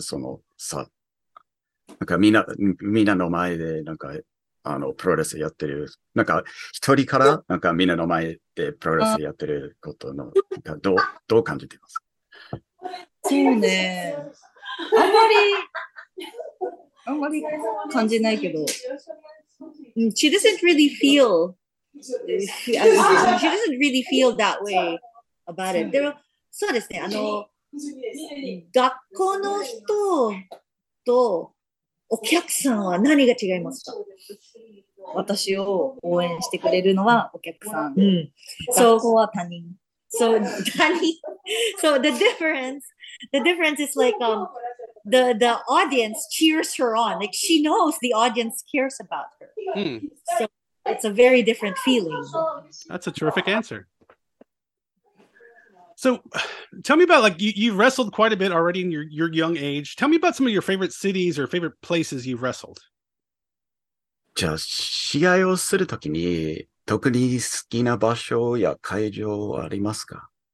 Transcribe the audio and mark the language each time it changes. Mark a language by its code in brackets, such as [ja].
[ja] そのさ、なんかみんなの前でなんかプロレスやってる、なんか一人からなんかみんなの前でプロレスやってることのなんかどう感じていますか？そうね、あまり。あんまり感じないけど、 [en] she doesn't really feel, she doesn't really feel that way about it. [ja] でも、そうですね。学校の人とお客さんは何が違いますか？私を応援してくれるのはお客さん。うん。そこは他人。 So 他人。 [en] So the difference is like The audience cheers her on. Like she knows the audience cares about her. Mm. So it's a very different feeling. That's a terrific answer. So tell me about, like, you've wrestled quite a bit already in your young age. Tell me about some of your favorite cities or favorite places you've wrestled. [ja] じゃあ試合をするときに特に好きな場所や会場ありますか？